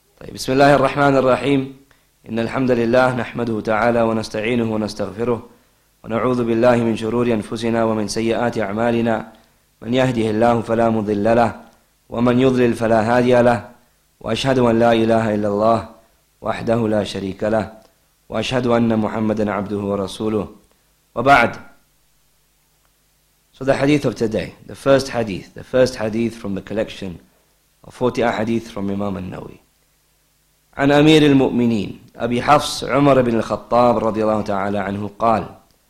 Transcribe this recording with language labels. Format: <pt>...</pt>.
<ar>طيب بسم الله الرحمن الرحيم إن الحمد لله نحمده تعالى ونستعينه ونستغفره ونعوذ بالله من شرور أنفسنا ومن سيئات أعمالنا من يهده الله فلا مضل له ومن يضلل فلا هادي له وأشهد أن لا إله إلا الله وحده لا شريك له وأشهد أن محمدا عبده ورسوله وبعد.</ar> <en>So the hadith of today, the first hadith from the collection of 40 hadith from Imam An-Nawawi.</en> <ar>عن أمير المؤمنين أبي حفص عمر بن الخطاب رضي الله تعالى عنه قال.</ar>